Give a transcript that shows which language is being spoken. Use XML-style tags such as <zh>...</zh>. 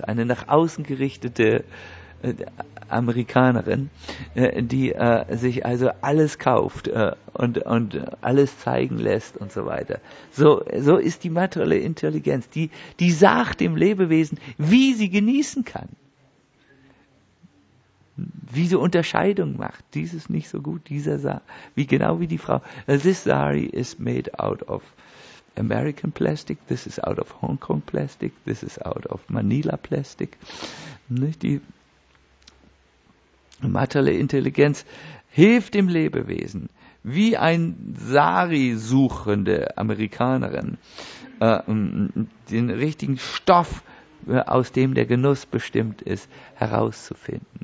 <de>Eine nach außen gerichtete Amerikanerin, die sich also alles kauft und alles zeigen lässt und so weiter. So ist die materielle Intelligenz. Die sagt dem Lebewesen, wie sie genießen kann. Wie sie Unterscheidung macht, dieses nicht so gut, dieser wie die Frau.</de> <en>This sari is made out of American plastic, this is out of Hong Kong plastic, this is out of Manila plastic.</en> <de>Nicht? Die materielle Intelligenz hilft dem Lebewesen, wie ein Sari-suchende Amerikanerin, den richtigen Stoff, aus dem der Genuss bestimmt ist, herauszufinden.</de>